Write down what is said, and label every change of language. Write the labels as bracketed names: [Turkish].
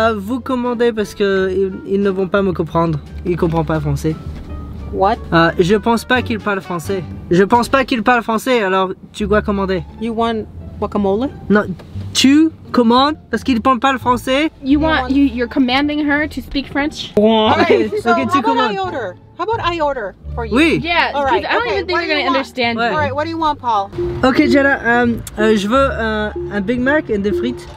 [French] Vous commandez parce qu'ils ne vont pas me comprendre. Ils ne comprennent pas le français. [English] What? [French] Je pense pas qu'il parle français. Je pense pas qu'il parle français, alors tu dois commander. [English] You want guacamole? [French] Non, tu commandes parce qu'il parle pas le français. [English] You want, you're commanding her to speak French? What? Okay, so okay, how about I order? How about I order for you? [French] Oui. [English] Yeah, all right. I don't even think they're gonna understand. Ouais. All right, what do you want, Paul? [French] Okay, Jenna, je veux un Big Mac et des frites.